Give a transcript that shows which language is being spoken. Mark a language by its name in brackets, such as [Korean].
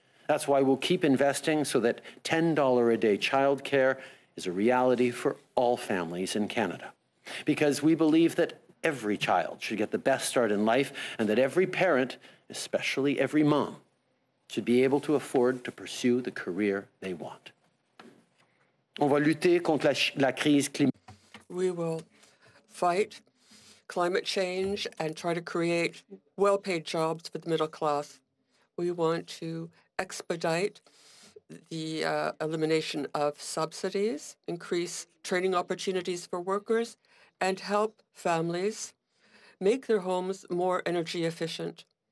[English] That's why we'll keep investing so that $10 a day childcare is a reality for all families in Canada. Because we believe that every child should get the best start in life and that every parent, especially every mom, should be able to afford to pursue the career they want. [French] On va lutter contre la crise climatique. [English] We will fight climate change and try to create well-paid jobs for the middle class. We want to expedite the elimination of subsidies, increase training opportunities for workers, and help families make their homes more energy efficient.